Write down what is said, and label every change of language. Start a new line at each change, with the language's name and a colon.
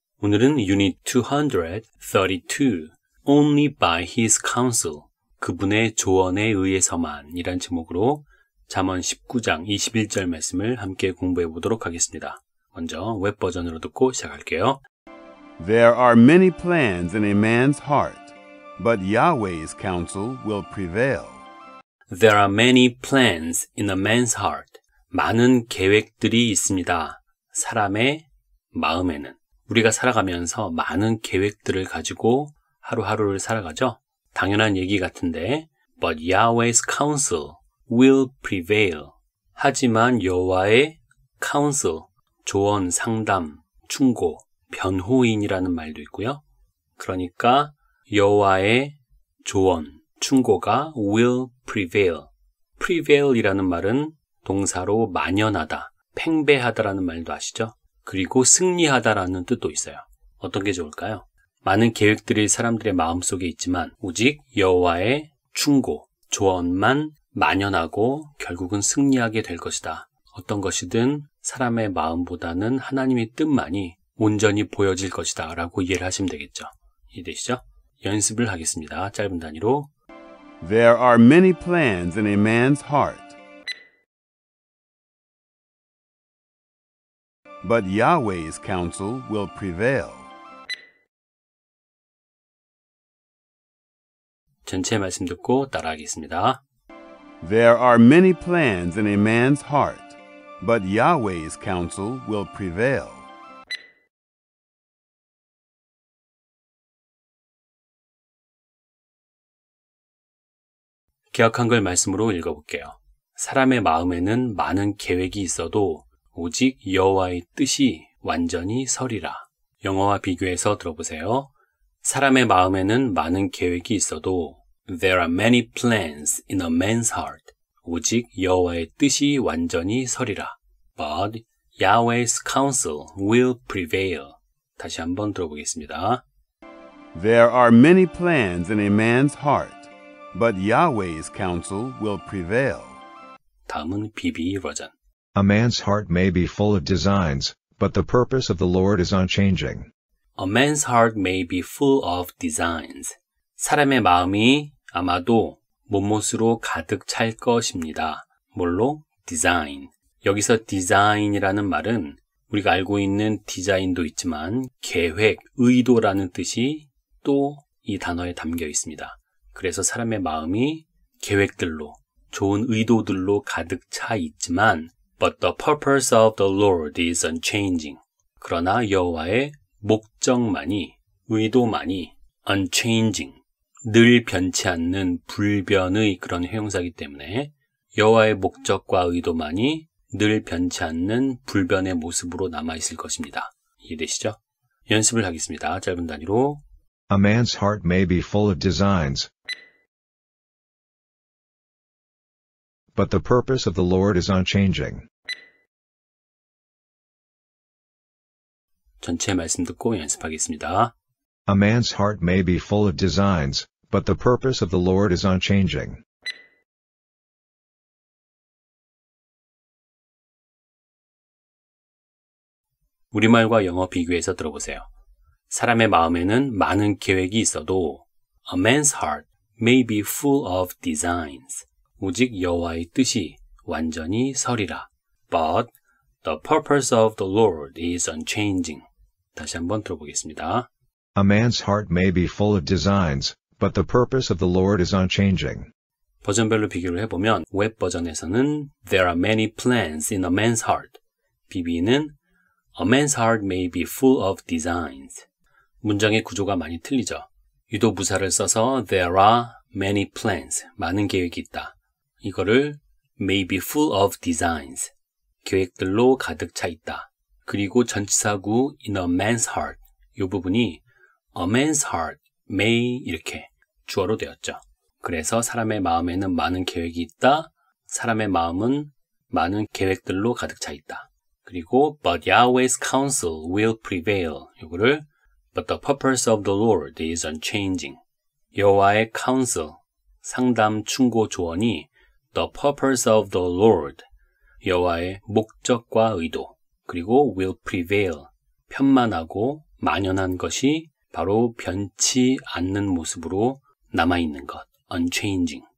Korean: 오늘은 Unit 232,
English: Only by His Counsel,
Korean: 그분의 조언에 의해서만이란 제목으로 잠언 19장 21절 말씀을 함께 공부해 보도록 하겠습니다. 먼저 웹 버전으로 듣고 시작할게요.
English: There are many plans in a man's heart, but Yahweh's counsel will prevail. There are many plans in a man's heart.
Korean: 많은 계획들이 있습니다. 사람의 마음에는. 우리가 살아가면서 많은 계획들을 가지고 하루하루를 살아가죠. 당연한 얘기 같은데,
English: but Yahweh's counsel will prevail.
Korean: 하지만 여호와의 counsel, 조언, 상담, 충고, 변호인이라는 말도 있고요. 그러니까 여호와의 조언, 충고가
English: will prevail.
Korean: prevail이라는 말은 동사로 만연하다, 팽배하다라는 말도 아시죠? 그리고 승리하다라는 뜻도 있어요. 어떤 게 좋을까요? 많은 계획들이 사람들의 마음속에 있지만 오직 여호와의 충고, 조언만 만연하고 결국은 승리하게 될 것이다. 어떤 것이든 사람의 마음보다는 하나님의 뜻만이 온전히 보여질 것이다 라고 이해를 하시면 되겠죠. 이해되시죠? 연습을 하겠습니다. 짧은 단위로
English: There are many plans in a man's heart. But Yahweh's counsel will prevail.
Korean: 전체 말씀 듣고 따라하겠습니다.
English: There are many plans in a man's heart. But Yahweh's counsel will prevail.
Korean: 기억한 걸 말씀으로 읽어볼게요. 사람의 마음에는 많은 계획이 있어도 오직 여호와의 뜻이 완전히 서리라. 영어와 비교해서 들어보세요. 사람의 마음에는 많은 계획이 있어도
English: There are many plans in a man's heart.
Korean: 오직 여호와의 뜻이 완전히 서리라.
English: But Yahweh's counsel will prevail.
Korean: 다시 한번 들어보겠습니다.
English: There are many plans in a man's heart, but Yahweh's counsel will prevail.
Korean: 다음은 BB 버전.
English: A man's heart may be full of designs, but the purpose of the Lord is unchanging. A man's heart may be full of designs.
Korean: 사람의 마음이 아마도 몸못으로 가득 찰 것입니다. 뭘로? Design. 여기서 디자인이라는 말은 우리가 알고 있는 디자인도 있지만 계획, 의도라는 뜻이 또 이 단어에 담겨 있습니다. 그래서 사람의 마음이 계획들로, 좋은 의도들로 가득 차 있지만
English: But the purpose of the Lord is unchanging.
Korean: 그러나 여호와의 목적만이, 의도만이 unchanging, 늘 변치 않는 불변의 그런 형용사이기 때문에 여호와의 목적과 의도만이 늘 변치 않는 불변의 모습으로 남아있을 것입니다. 이해되시죠? 연습을 하겠습니다. 짧은 단위로
English: A man's heart may be full of designs, but the purpose of the Lord is unchanging.
Korean: 전체 말씀 듣고 연습하겠습니다.
English: A man's heart may be full of designs, but the purpose of the Lord is unchanging.
Korean: 우리말과 영어 비교해서 들어보세요. 사람의 마음에는 많은 계획이 있어도
English: A man's heart may be full of designs.
Korean: 오직 여호와의 뜻이 완전히 서리라.
English: But the purpose of the Lord is unchanging.
Korean: 다시 한번 들어보겠습니다.
English: A man's heart may be full of designs, but the purpose of the Lord is unchanging.
Korean: 버전별로 비교를 해보면 웹 버전에서는
English: There are many plans in a man's heart. BB는 A man's heart may be full of designs.
Korean: 문장의 구조가 많이 틀리죠. 유도 부사를 써서
English: There are many plans.
Korean: 많은 계획이 있다. 이거를
English: may be full of designs.
Korean: 계획들로 가득 차 있다. 그리고 전치사구
English: in a man's heart.
Korean: 이 부분이
English: A man's heart may
Korean: 이렇게 주어로 되었죠. 그래서 사람의 마음에는 많은 계획이 있다. 사람의 마음은 많은 계획들로 가득 차 있다. 그리고
English: But Yahweh's counsel will prevail.
Korean: 이거를
English: But the purpose of the Lord is unchanging.
Korean: 여호와의 counsel, 상담, 충고, 조언이
English: The purpose of the Lord,
Korean: 여호와의 목적과 의도, 그리고
English: will prevail,
Korean: 편만하고 만연한 것이 바로 변치 않는 모습으로 남아있는 것, unchanging.